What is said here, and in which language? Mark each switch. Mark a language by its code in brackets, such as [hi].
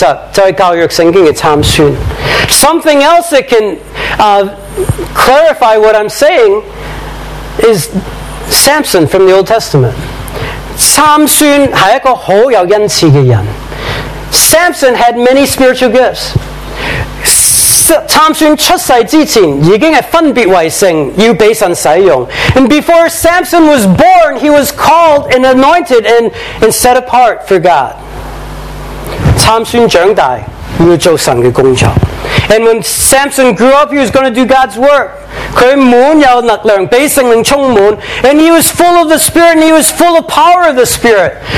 [zh] 另一个可以印证这个事实就是教育圣经的参孙。 [en] Something else that can clarify what I'm saying is Samson from the Old Testament. [zh] 参孙是一个很有恩赐的人。 [en] Samson had many spiritual gifts. [zh] 参孙出世之前已经是分别为圣，要被神使用。 [en] And before Samson was born, he was called and anointed and set apart for God. [zh] 参孙长大要做神的工作。 [en] And when Samson grew up, he was going to do God's work. [zh] 他满有能量，被圣灵充满。 [en] And he was full of the Spirit, and he was full of power of the Spirit.